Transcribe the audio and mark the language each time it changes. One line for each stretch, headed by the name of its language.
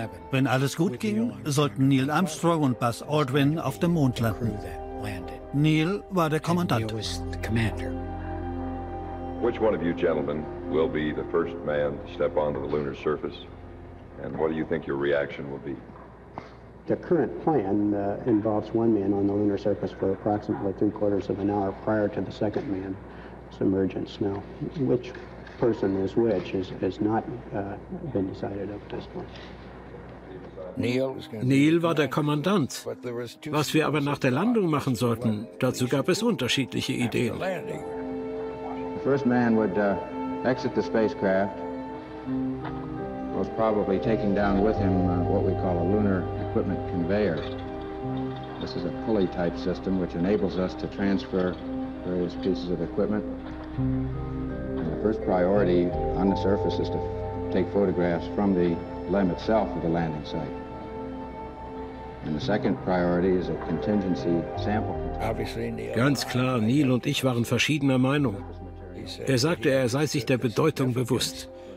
German: Wenn alles gut ging, sollten Neil Armstrong und Buzz Aldrin auf dem Mond landen. Neil war der Kommandant.
English: Which one of you gentlemen will be the first man to step onto the lunar surface, and what do you think your reaction will be? The current plan involves one man on the lunar surface for approximately 3/4 of an hour prior to the second man's emergence. Now, which person is which has not been decided up to this point.
German: Neil war der Kommandant. Was wir aber nach der Landung machen sollten, dazu gab es unterschiedliche Ideen. Der erste Mann würde
English: exit the spacecraft, was probably taking down with him what we call a lunar equipment conveyor. This is a pulley type system which enables us to transfer various pieces of equipment. And the first priority on the surface is to take photographs from the LEM itself of the landing site. And the second priority is a contingency sample.
German: Ganz klar, Neil und ich waren verschiedener Meinung. Er sagte, er sei sich der Bedeutung bewusst.